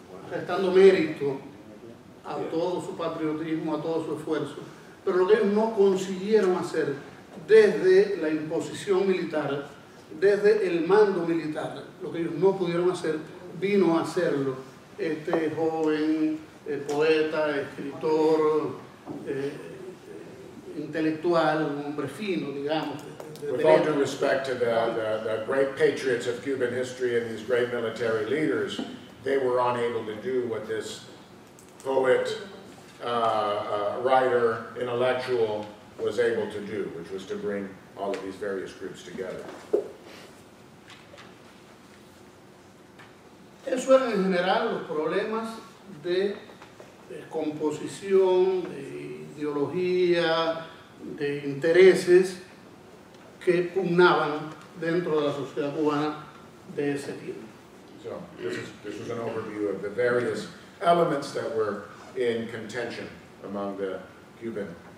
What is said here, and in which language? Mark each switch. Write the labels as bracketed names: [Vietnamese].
[Spanish] restando mérito a todo su patriotismo, a todo su esfuerzo, pero lo que ellos no consiguieron hacer desde la imposición militar, desde el mando militar, lo que ellos no pudieron hacer, vino a hacerlo este joven poeta, escritor, intelectual, un hombre fino, digamos. [English] With all due respect to the great patriots of Cuban history and these great military leaders, they were unable to do what this poet, writer, intellectual was able to do, which was to bring all of these various groups together. [Spanish] Eso eran en general los problemas de composición, de ideología, de intereses que pugnaban dentro de la sociedad cubana de ese tiempo. [English] So, this is an overview of the various elements that were in contention among the Cuban.